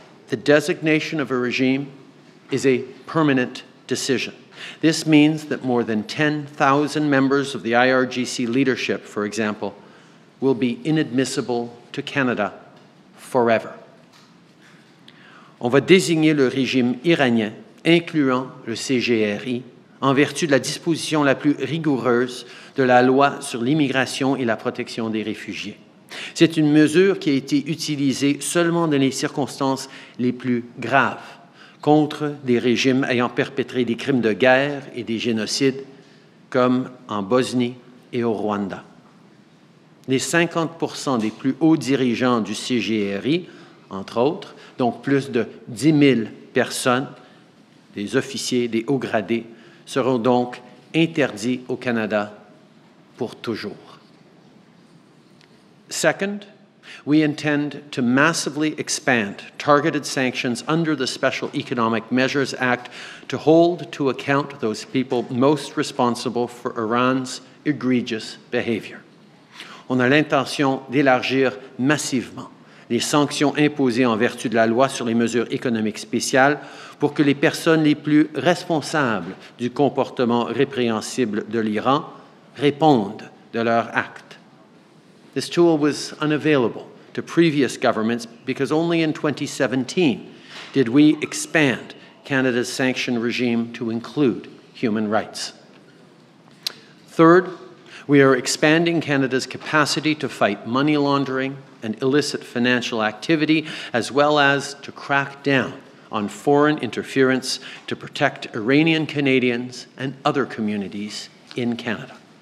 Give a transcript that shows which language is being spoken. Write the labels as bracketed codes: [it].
[en] The designation of a regime is a permanent decision. This means that more than 10,000 members of the IRGC leadership, for example, will be inadmissible to Canada forever. [fr] On va désigner le régime iranien, incluant le CGRI, en vertu de la disposition la plus rigoureuse de la loi sur l'immigration et la protection des réfugiés. C'est une mesure qui a été utilisée seulement dans les circonstances les plus graves, contre des régimes ayant perpétré des crimes de guerre et des génocides, comme en Bosnie et au Rwanda. Les 50% des plus hauts dirigeants du CGRI, entre autres, donc plus de 10 000 personnes, des officiers, des hauts gradés, seront donc interdits au Canada pour toujours. [en] Second, we intend to massively expand targeted sanctions under the Special Economic Measures Act to hold to account those people most responsible for Iran's egregious behavior. [fr] On a l'intention d'élargir massivement les sanctions imposées en vertu de la loi sur les mesures économiques spéciales pour que les personnes les plus responsables du comportement répréhensible de l'Iran répondent de leurs actes. [en] This tool was unavailable to previous governments because only in 2017 did we expand Canada's sanction regime to include human rights. Third, we are expanding Canada's capacity to fight money laundering and illicit financial activity, as well as to crack down on foreign interference to protect Iranian Canadians and other communities in Canada.